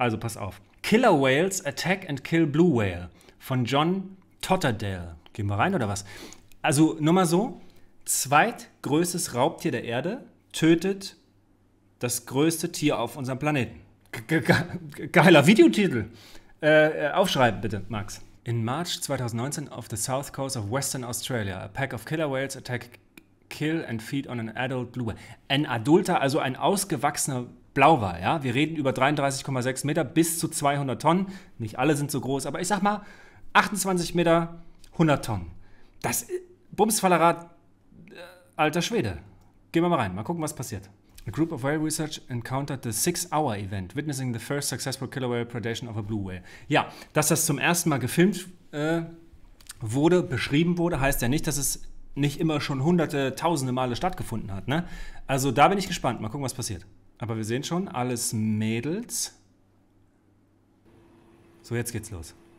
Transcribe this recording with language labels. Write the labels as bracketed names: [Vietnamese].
[German] Also pass auf. Killer Whales Attack and Kill Blue Whale von John Totterdale. Gehen wir rein oder was? Also nur mal so. Zweitgrößtes Raubtier der Erde tötet das größte Tier auf unserem Planeten. Geiler Videotitel. Aufschreiben bitte, Max. [English] In March 2019 off the south coast of Western Australia, a pack of killer whales attack, kill and feed on an adult blue whale. [German] Ein adulter, also ein ausgewachsener Blauwal, ja? Wir reden über 33,6 Meter bis zu 200 Tonnen. Nicht alle sind so groß, aber ich sag mal, 28 Meter, 100 Tonnen. Das Bumsfallerad, alter Schwede. Gehen wir mal rein, mal gucken, was passiert. [English] A group of whale research encountered the six-hour event, witnessing the first successful killer whale predation of a blue whale. [German] Ja, dass das zum ersten Mal gefilmt wurde, beschrieben wurde, heißt ja nicht, dass es nicht immer schon hunderte, tausende Male stattgefunden hat. Ne? Also da bin ich gespannt. Mal gucken, was passiert. Aber wir sehen schon, alles Mädels. So, jetzt geht's los.